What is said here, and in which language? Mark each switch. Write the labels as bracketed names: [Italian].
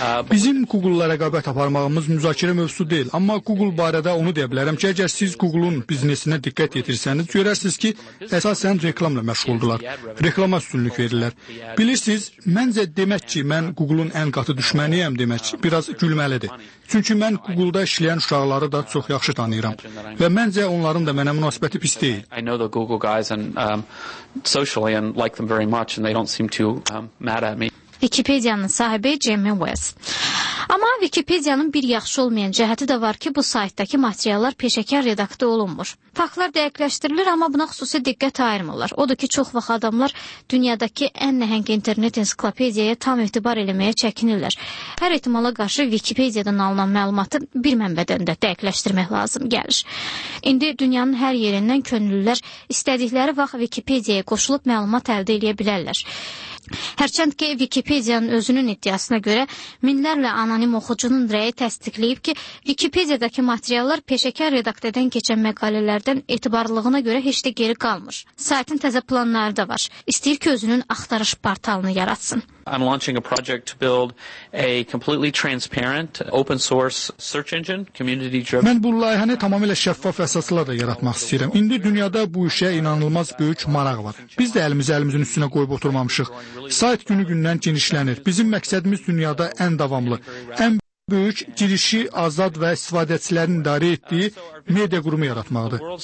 [Azerbaijani] Bizim Google-la rəqabət aparmağımız müzakirə mövzusu deyil. Amma Google barədə onu deyə bilərəm ki, əgər siz Google-un biznesinə diqqət yetirsəniz, görərsiniz ki, əsasən reklamla məşğuldurlar. Reklama üstünlük verirlər. Bilirsiniz, məncə demək ki, mən Google-un ən qatı düşməniyəm demək biraz gülməlidir. Çünki mən Google-da işləyən uşaqları da çox yaxşı tanıyıram və məncə onların da mənə münasibəti pis deyil. [English] I know the Google guys and socially and like them very much and they don't seem too mad at me. [Azerbaijani] Wikipedia-nın sahibi Jimmy Wales. Amma Wikipedia-nın bir yaxşı olmayan cəhəti də var ki, bu saytdakı materiallar peşəkar redaktə olunmur. Faktlar dəqiqləşdirilir, amma buna xüsusi diqqət ayırmırlar. Odur ki, çox vaxt adamlar dünyadakı ən nəhəng internet ensiklopediyaya tam etibar eləməyə çəkinirlər. Hər ehtimala qarşı Wikipedia-dan alınan məlumatı bir mənbədən də dəqiqləşdirmək lazım gəlir. İndi dünyanın hər yerindən könüllülər istədikləri vaxt Wikipedia-ya qoşulub məlumat əldə edə bilərlər. Hərçənd ki, Wikipedia-nın özünün iddiasına görə minlərlə anonim oxucunun rəyi təsdiqləyib ki, Wikipedia-dakı materiallar peşəkar redaktədən keçən məqalələrdən etibarlılığına görə heç də geri qalmır. Saytın təzə planları da var. İstəyir ki, özünün axtarış portalını yaratsın. [English] I'm launching a project to build a completely transparent open source search engine, community driven. [Azerbaijani] Mən bu layihəni tamamilə şəffaf əsaslarla yaratmaq istəyirəm. İndi dünyada bu işə inanılmaz böyük maraq var. Biz də əlimizin üstünə qoyub oturmamışıq. Sayt günü-gündən genişlənir. Bizim məqsədimiz dünyada ən davamlı, ən böyük girişi azad və istifadəçilərin idarə etdiyi media qurumu yaratmaqdır.